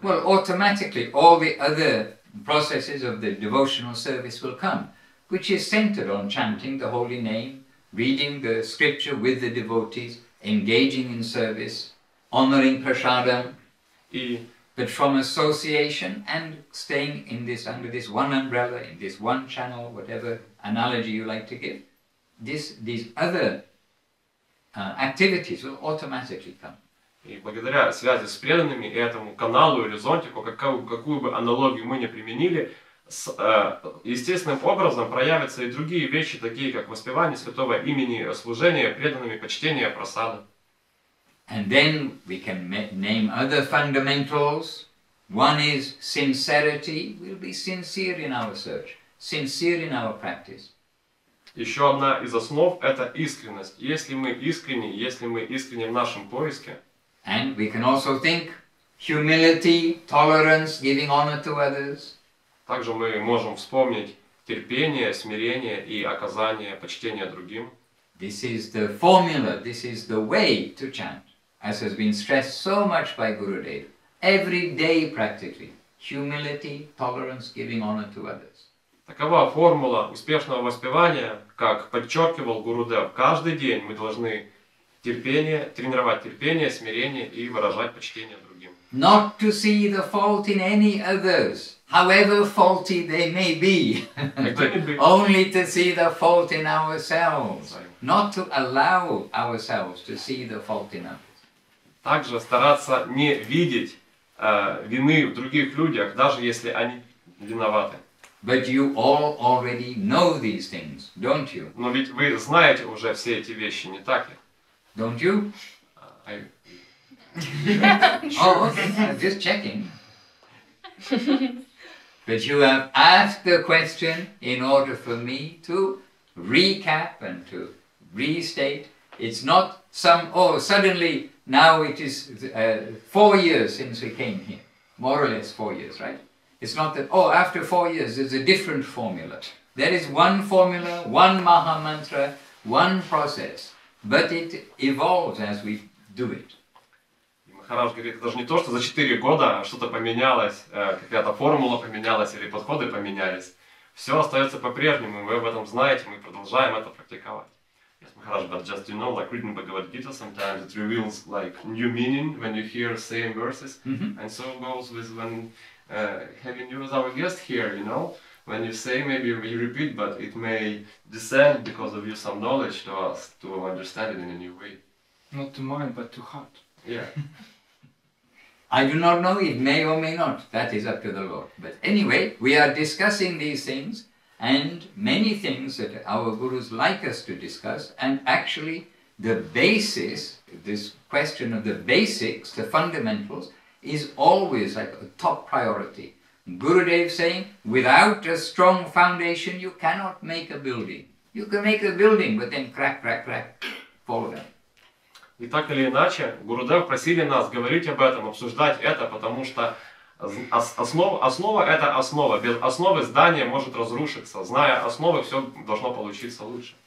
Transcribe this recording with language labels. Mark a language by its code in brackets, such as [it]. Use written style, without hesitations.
[en] Well, automatically all the other processes of the devotional service will come, which is centered on chanting the holy name, reading the scripture with the devotees, engaging in service, honoring prasadam, but from association and staying in this under this one umbrella, in this one channel, whatever analogy you like to give, these other activities will automatically come. [ru] И благодаря связи с преданными и этому каналу или зонтику, какую бы аналогию мы ни применили, естественным образом проявятся и другие вещи, такие как воспевание святого имени, служение преданными, почтение прасада. [en] And then we can name other fundamentals. One is sincerity. We'll be sincere in our search, sincere in our practice. [ru] Еще одна из основ – это искренность. Если мы искренни в нашем поиске. [en] And we can also think humility, tolerance, giving honor to others. [ru] Также мы можем вспомнить терпение, смирение и оказание почтения другим. [en] This is the formula, this is the way to chant, as has been stressed so much by Gurudev. Every day practically, humility, tolerance, giving honor to others. [ru] Такова формула успешного воспевания, как подчеркивал Гурудев. Каждый день мы должны тренировать терпение, смирение и выражать почтение другим. [en] Not to see the fault in any others, however faulty they may be. Only to see the fault in ourselves. Not to allow ourselves to see the fault in others. [ru] Также стараться не видеть вины в других людях, даже если они виноваты. [en] But you all already know these things, don't you? [ru] Но ведь вы знаете уже все эти вещи, не так ли? [en] Don't you? Oh, okay. Just checking. But you have asked the question in order for me to recap and to restate. It's not some, oh, suddenly now it is 4 years since we came here. More or less 4 years, right? It's not that, oh, after 4 years there's a different formula. There is one formula, one Maha Mantra, one process. But it evolves as we do it. [ru] Махарадж говорит, это же не то, что за 4 года что-то поменялось, какая-то формула поменялась или подходы поменялись. Все остается по-прежнему, вы об этом знаете, мы продолжаем это практиковать. [en] Yes, Махарадж, but just you know, like reading Bhagavad Gita, sometimes it reveals like new meaning when you hear same verses. Mm-hmm. And so it goes with when having you as our guest here, you know. When you say, maybe we repeat, but it may descend because of you some knowledge to us to understand it in a new way. Not to mind, but to heart. Yeah. I do not know, it may or may not. That is up to the Lord. But anyway, we are discussing these things and many things that our gurus like us to discuss. And actually, the basis, this question of the basics, the fundamentals, is always like a top priority. Gurudev saying, without a strong foundation, you cannot make a building. You can make a building, but then crack, crack, crack, fall down. [ru] И так или иначе, Гурудев просили нас говорить об этом, обсуждать это, потому что основа – это основа. Без основы здание может разрушиться. Зная основы, все должно получиться лучше.